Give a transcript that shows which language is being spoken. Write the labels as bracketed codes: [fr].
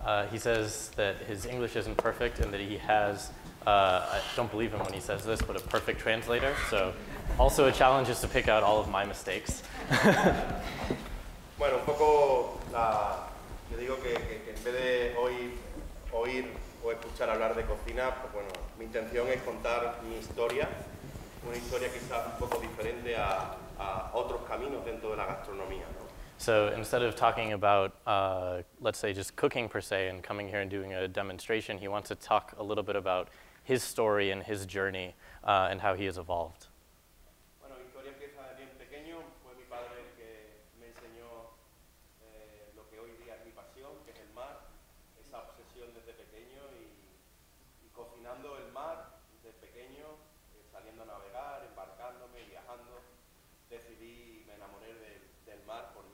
[en] He says that his English isn't perfect and that he has, I don't believe him when he says this, but a perfect translator. So also a challenge is to pick out all of my mistakes. [es] Bueno, un poco, yo digo que en vez de oír o escuchar hablar de cocina, pues bueno, mi intención es contar mi historia, una historia quizás un poco diferente a otros caminos dentro de la gastronomía, ¿no? [en] So instead of talking about, let's say, just cooking per se and coming here and doing a demonstration, he wants to talk a little bit about his story and his journey and how he has evolved. [es] Bueno, mi historia empieza bien pequeño. Fue mi padre el que me enseñó lo que hoy día es mi pasión, que es el mar. Esa obsesión desde pequeño y cocinando el mar desde pequeño, saliendo a navegar, embarcándome, viajando, decidí me enamoré del mar.